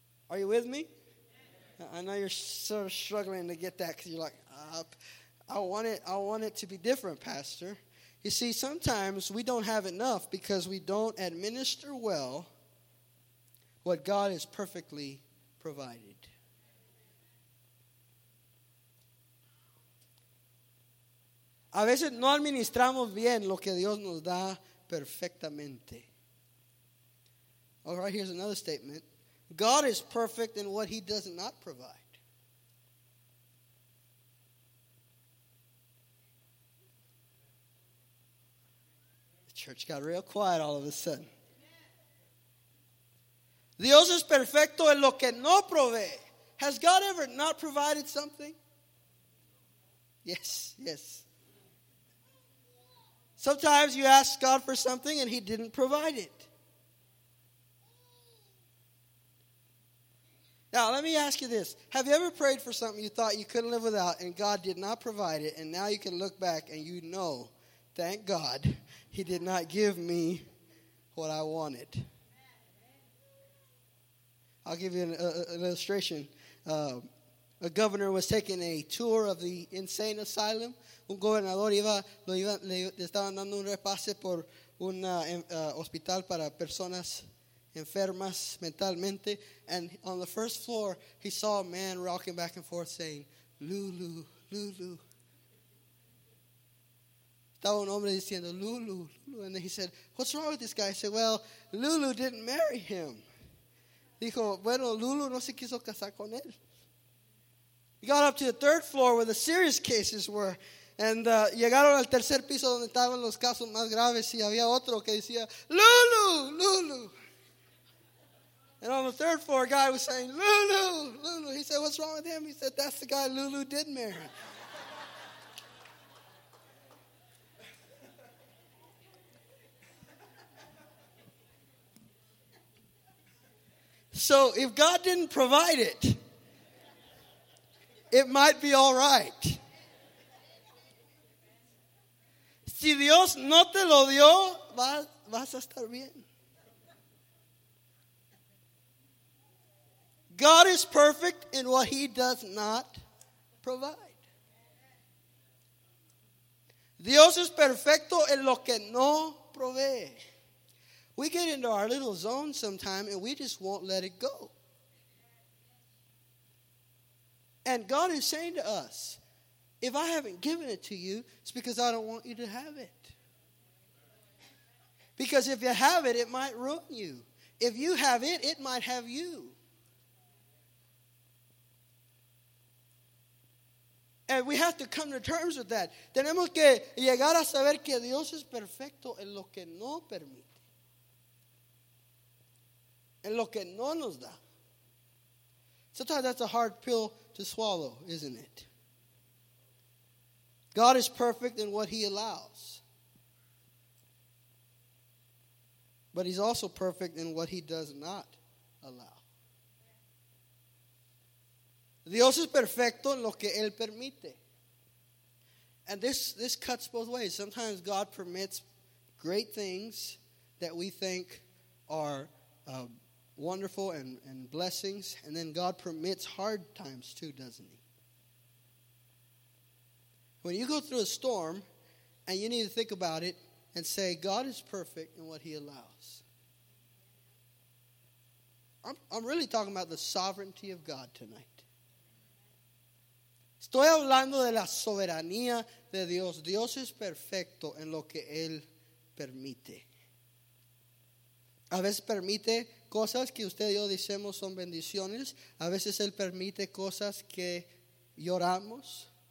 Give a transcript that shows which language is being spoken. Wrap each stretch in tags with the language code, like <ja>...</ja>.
<en>Are you with me? I know you're sort of struggling to get that because you're like, I want it to be different, Pastor. You see, sometimes we don't have enough because we don't administer well what God has perfectly provided.</en> <es>A veces no administramos bien lo que Dios nos da perfectamente.</es> <en>All right, here's another statement. God is perfect in what He does not provide. The church got real quiet all of a sudden.</en> <es>Dios es perfecto en lo que no provee.</es> <en>Has God ever not provided something? Yes. Sometimes you ask God for something and He didn't provide it. Now, let me ask you this. Have you ever prayed for something you thought you couldn't live without and God did not provide it, and now you can look back and you know, thank God, He did not give me what I wanted. I'll give you an illustration. A governor was taking a tour of the insane asylum.</en> <es>Un gobernador le estaban dando un repase por un hospital para personas enfermas mentalmente,</es> <en>and on the first floor he saw a man rocking back and forth saying, Lulu, Lulu.</en> <es>Estaba un hombre diciendo, Lulu, Lulu.</es> <en>And then he said, what's wrong with this guy? I said, well, Lulu didn't marry him.</en> <es>Dijo, bueno, Lulu no se quiso casar con él.</es> <en>He got up to the third floor where the serious cases were, and</en> <es>llegaron al tercer piso donde estaban los casos más graves, y había otro que decía, Lulu, Lulu.</es> <en>And on the third floor, a guy was saying, Lulu, Lulu. He said, what's wrong with him? He said, that's the guy Lulu did marry. So if God didn't provide it, it might be all right.</en> <es>Si Dios no te lo dio, vas a estar bien.</es> <en>God is perfect in what He does not provide.</en> <es>Dios es perfecto en lo que no provee.</es> <en>We get into our little zone sometime and we just won't let it go. And God is saying to us, if I haven't given it to you, it's because I don't want you to have it. Because if you have it, it might ruin you. If you have it, it might have you. And we have to come to terms with that.</en> <es>Tenemos que llegar a saber que Dios es perfecto en lo que no permite. En lo que no nos da.</es> <en>Sometimes that's a hard pill to swallow, isn't it? God is perfect in what He allows. But He's also perfect in what He does not allow.</en> <es>Dios es perfecto en lo que Él permite.</es> <en>And this cuts both ways. Sometimes God permits great things that we think are wonderful and blessings. And then God permits hard times too, doesn't He? When you go through a storm and you need to think about it and say, God is perfect in what He allows. I'm really talking about the sovereignty of God tonight.</en> <es>Estoy hablando de la soberanía de Dios. Dios es perfecto en lo que Él permite. A veces permite cosas que usted y yo decimos son bendiciones. A veces Él permite cosas que lloramos.</es>